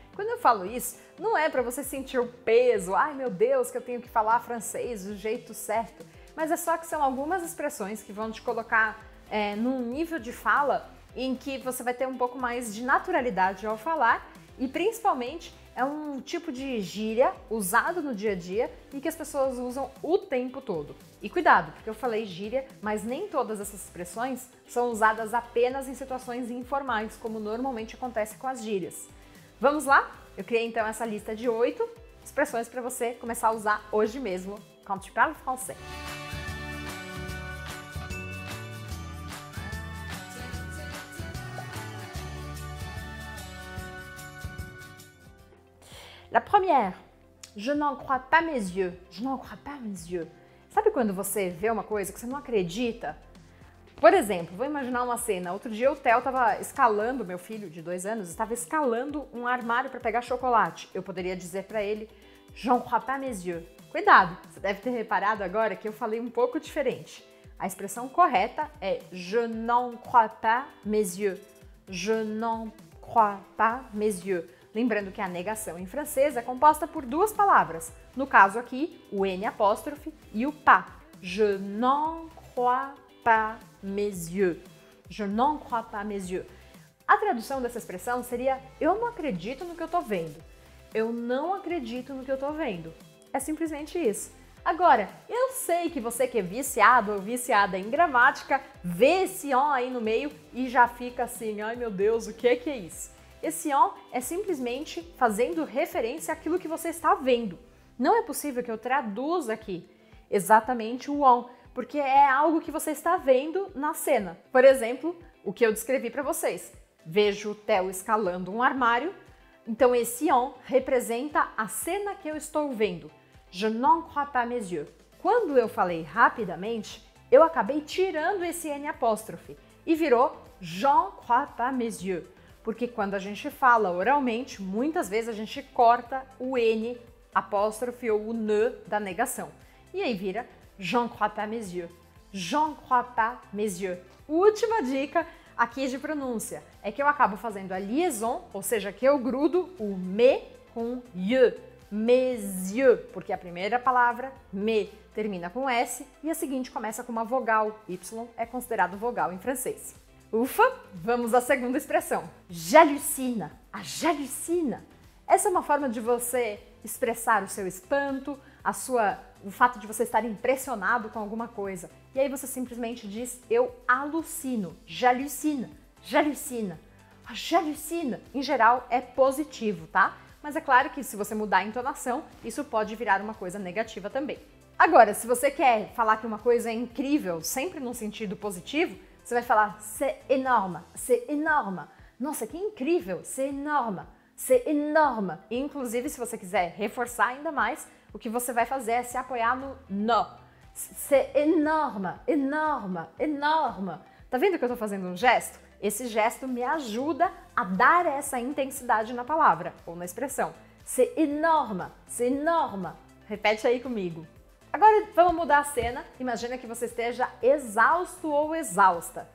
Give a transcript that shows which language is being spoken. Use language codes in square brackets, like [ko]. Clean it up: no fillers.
[pt] Quando eu falo isso, não é para você sentir o peso, ai meu Deus, que eu tenho que falar francês do jeito certo, mas é só que são algumas expressões que vão te colocar num nível de fala em que você vai ter um pouco mais de naturalidade ao falar e principalmente é um tipo de gíria usado no dia a dia e que as pessoas usam o tempo todo. E cuidado, porque eu falei gíria, mas nem todas essas expressões são usadas apenas em situações informais, como normalmente acontece com as gírias. Vamos lá? Eu criei então essa lista de 8 expressões para você começar a usar hoje mesmo. [fr] Quand tu parles français. La première, je n'en crois pas mes yeux. Je n'en crois pas mes yeux. [pt] Sabe quando você vê uma coisa que você não acredita? Por exemplo, vou imaginar uma cena. Outro dia o Theo estava escalando, meu filho de 2 anos, estava escalando um armário para pegar chocolate. Eu poderia dizer para ele, je n'en crois pas mes yeux. Cuidado, você deve ter reparado agora que eu falei um pouco diferente. A expressão correta é je n'en crois pas mes yeux. [fr] Je n'en crois pas mes yeux. [pt] Lembrando que a negação em francês é composta por 2 palavras. No caso aqui, o N apóstrofe e o pas. [fr] Je n'en crois pas mes yeux. Je n'en crois pas mes yeux. [pt] A tradução dessa expressão seria eu não acredito no que eu tô vendo. Eu não acredito no que eu tô vendo. É simplesmente isso. Agora, eu sei que você que é viciado ou viciada em gramática, vê esse on aí no meio e já fica assim, ai meu Deus, o que é isso? Esse on é simplesmente fazendo referência àquilo que você está vendo. Não é possível que eu traduza aqui exatamente o on, porque é algo que você está vendo na cena. Por exemplo, o que eu descrevi para vocês. Vejo o Theo escalando um armário. Então esse on representa a cena que eu estou vendo. [fr] Je n'en crois pas mes yeux. [pt] Quando eu falei rapidamente, eu acabei tirando esse N apóstrofe e virou je n'en crois pas mes yeux. Porque quando a gente fala oralmente, muitas vezes a gente corta o N apóstrofe ou o ne da negação. [fr] E aí vira j'en crois pas mes yeux. J'en crois pas mes yeux. [pt] Última dica aqui de pronúncia. É que eu acabo fazendo a liaison, ou seja, que eu grudo o me com yeux. Mes yeux. Porque a primeira palavra, me, termina com S e a seguinte começa com uma vogal. Y é considerado vogal em francês. Ufa, vamos à segunda expressão. J'hallucine. Ah, j'hallucine. Essa é uma forma de você expressar o seu espanto, o fato de você estar impressionado com alguma coisa. E aí você simplesmente diz, eu alucino. [fr] J'hallucine. J'hallucine. Ah, j'hallucine. [pt] Em geral, é positivo, tá? Mas é claro que se você mudar a entonação, isso pode virar uma coisa negativa também. Agora, se você quer falar que uma coisa é incrível, sempre num sentido positivo, você vai falar, c'est énorme, nossa, que incrível, c'est énorme. Inclusive, se você quiser reforçar ainda mais, o que você vai fazer é se apoiar no no. [fr] C'est énorme, énorme, énorme. [pt] Tá vendo que eu tô fazendo um gesto? Esse gesto me ajuda a dar essa intensidade na palavra ou na expressão. C'est énorme, repete aí comigo. Agora vamos mudar a cena, imagina que você esteja exausto ou exausta.